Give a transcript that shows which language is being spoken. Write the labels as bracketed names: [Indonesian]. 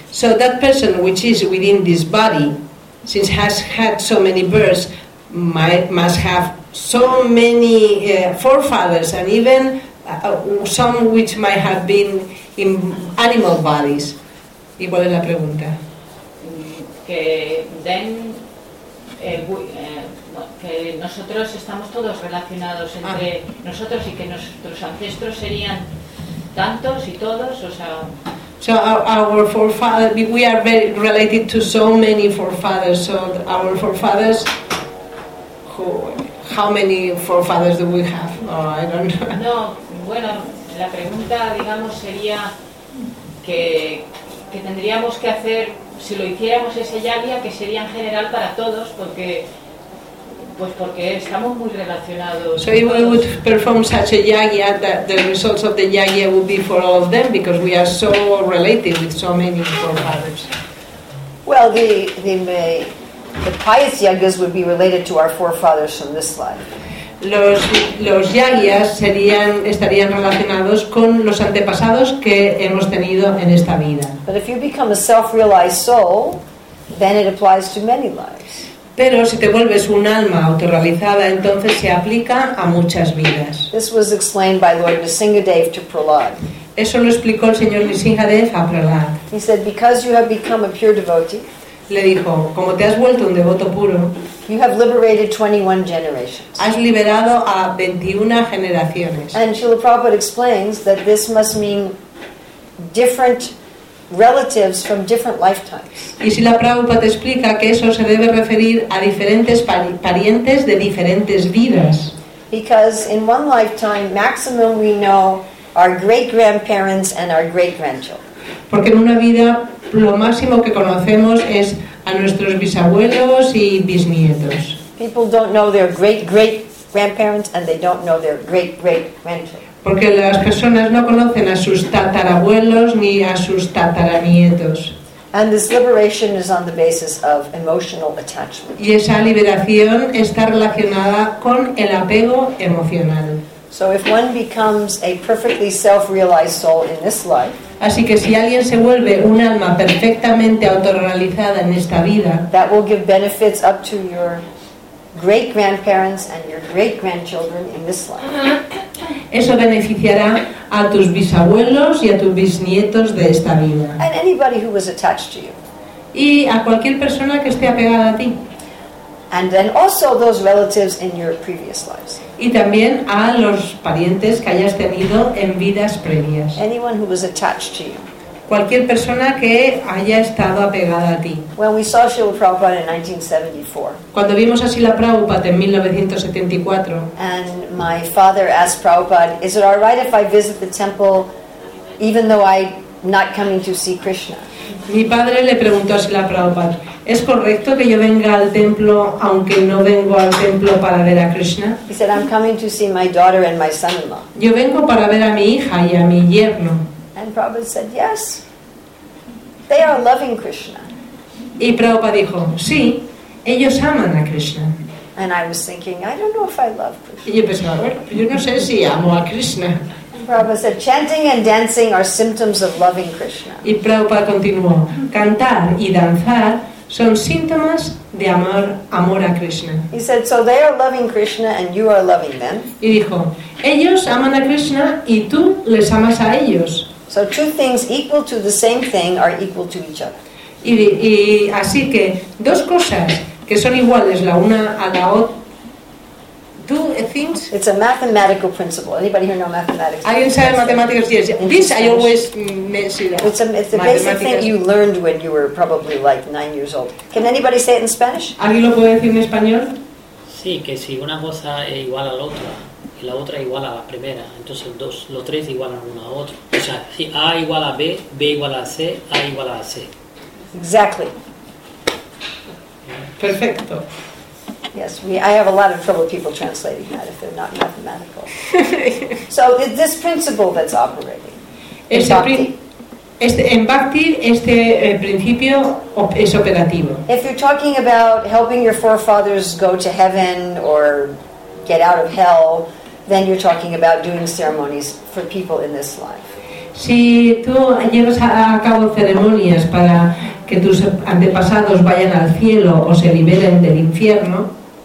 [English] So that person which is within this body, since has had so many births, must have so many forefathers, and even some which might have been in animal bodies. [Spanish] ¿Y cuál es la pregunta? Que nosotros estamos todos relacionados entre nosotros y que nuestros ancestros serían tantos y todos, o sea... [English] So our forefathers, we are very related to so many forefathers. So our forefathers, how many forefathers do we have? Oh, I don't know. [Spanish] No, bueno, la pregunta, digamos, sería que tendríamos que hacer, si lo hiciéramos ese yagya, que sería en general para todos, porque... Pues porque estamos muy relacionados. [English] So if we would perform such a yagya, that the results of the yagya would be for all of them, because we are so related with so many forefathers. Well, the The pious yagyas would be related to our forefathers from this life. [Spanish] Los yagyas estarían relacionados con los antepasados que hemos tenido en esta vida. [English] But if you become a self-realized soul, then it applies to many lives. [Spanish] Pero si te vuelves un alma autorrealizada, entonces se aplica a muchas vidas. [English] This was explained by Lord Nrisimhadev to Prahlad. [Spanish] Eso lo explicó el señor Nrisimhadev a Prahlad. [English] He said, because you have become a pure devotee, [Spanish] le dijo, como te has vuelto un devoto puro, [English] you have liberated 21 generations. [Spanish] Has liberado a 21 generaciones. [English] And Srila Prabhupada explains that this must mean different relatives from different lifetimes. [Spanish] Y si la Prabhupada explica que eso se debe referir a diferentes parientes de diferentes vidas. [English] Because in one lifetime maximum we know our great grandparents and our great grandchildren. [Spanish] Porque en una vida lo máximo que conocemos es a nuestros bisabuelos y bisnietos. [English] People don't know their great great grandparents and they don't know their great great grandchildren. [Spanish] Porque las personas no conocen a sus tatarabuelos ni a sus tataranietos. [English] And this liberation is on the basis of emotional attachment. [Spanish] Y esa liberación está relacionada con el apego emocional. [English] So if one becomes a perfectly self-realized soul in this life, [Spanish] así que si alguien se vuelve un alma perfectamente autorrealizada en esta vida, [English] that will give benefits up to your great grandparents and your great grandchildren in this life. [Spanish] Eso beneficiará a tus bisabuelos y a tus bisnietos de esta vida. [English] And anybody who was attached to you. [Spanish] Y a cualquier persona que esté apegada a ti. [English] And then also those relatives in your previous lives. [Spanish] Y también a los parientes que hayas tenido en vidas previas. [English] Anyone who was attached to you. [Spanish] Cualquier persona que haya estado apegada a ti. [English] When we saw Srila Prabhupada in 1974. [Spanish] Cuando vimos a Srila Prabhupada en 1974. [English] And my father asked Prabhupada, "Is it all right if I visit the temple even though I'm not coming to see Krishna?" [Spanish] Mi padre le preguntó a Srila Prabhupada, "¿Es correcto que yo venga al templo aunque no vengo al templo para ver a Krishna?" [English] He said, "I'm coming to see my daughter and my son-in-law." [Spanish] Yo vengo para ver a mi hija y a mi yerno. [English] And Prabhupada said, "Yes, they are loving Krishna." [Spanish] Y Prabhupada dijo, sí, ellos aman a Krishna. [English] And I was thinking, I don't know if I love Krishna. [Spanish] Y yo pensaba, bueno, yo no sé si amo a Krishna. [English] And Prabhupada said, "Chanting and dancing are symptoms of loving Krishna." [Spanish] Y Prabhupada continuó, cantar y danzar son síntomas de amor a Krishna. [English] He said, "So they are loving Krishna and you are loving them." [Spanish] Y dijo, ellos aman a Krishna y tú les amas a ellos. [English] So two things equal to the same thing are equal to each other. [Spanish] Y así que dos cosas que son iguales la una a la otra. [English] Two things. It's a mathematical principle. Anybody here know mathematics? [Spanish] ¿Alguien sabe matemáticas? [English] Yes. This I always mentioned. It's a basic thing you learned when you were probably like 9 years old. Can anybody say it in Spanish? [Spanish] ¿Alguien lo puede decir en español? Sí, que si una cosa es igual a la otra. La otra igual a la primera, entonces los tres igualan uno a otro. O sea, si A igual a B, B igual a C, A igual a C. [English] Exactly. [Spanish] Perfecto. [English] Yes, I have a lot of trouble people translating that if they're not mathematical. So it's this principle that's operating. [Spanish] En Bhakti, este principio es operativo. [English] If you're talking about helping your forefathers go to heaven or get out of hell, then you're talking about doing ceremonies for people in this life. [Spanish] Si tú llevas a cabo ceremonias para que tus antepasados vayan al cielo o se liberen del infierno.